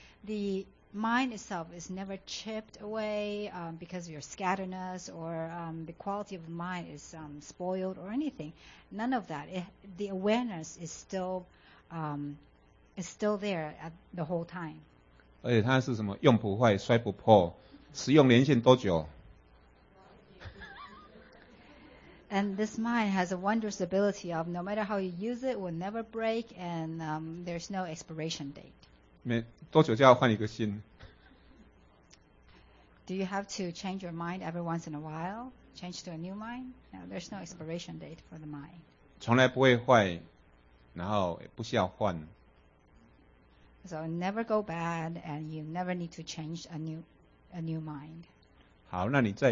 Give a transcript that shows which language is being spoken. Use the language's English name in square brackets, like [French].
[English] The mind itself is never chipped away because of your scatteredness or the quality of the mind is spoiled or anything. None of that. The awareness is still there at the whole time. [Chinese] 而且它是什么？用不坏，摔不破。使用年限多久? [English] And this mind has a wondrous ability of no matter how you use it, it will never break and there's no expiration date. [Chinese] 多久就要换一个心? [English] Do you have to change your mind every once in a while? Change to a new mind? No, there's no expiration date for the mind. [Chinese] 从来不会坏, 然后不需要换。 [English] So never go bad and you never need to change a new mind.